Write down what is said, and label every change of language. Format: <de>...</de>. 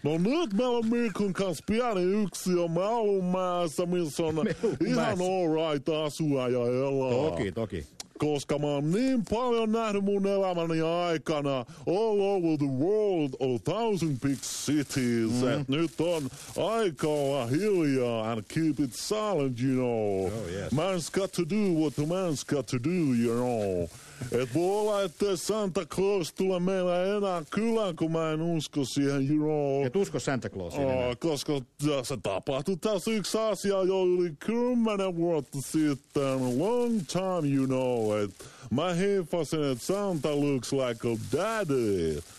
<fi>No nyt meillä on Mikun kanssa pieni yksiö Melunmäessä, missä on ihan alright asua ja elää. Toki, toki. Koska mä oon niin paljon nähnyt mun elämäni aikana</fi> <en>all over the world, all thousand big cities,</en> <fi>mm-hmm. että nyt on aika olla hiljaa</fi> <en>and keep it silent, you know. Oh, yes. Man's got to do what the man's got to do, you know.</en> <fi>Et voi olla, että Santa Claus tulee meillä enää kylään, kun mä en usko siihen,</fi> <en>you know.</en> <fi>Et usko Santa Clausiin enää. Koska se tapahtui tässä yksi asia jo yli 10 vuotta sitten,</fi> <en>long time, you know.</en> <fi>Et mä hiffasin, että Santa</fi> <en>looks like a daddy.</en>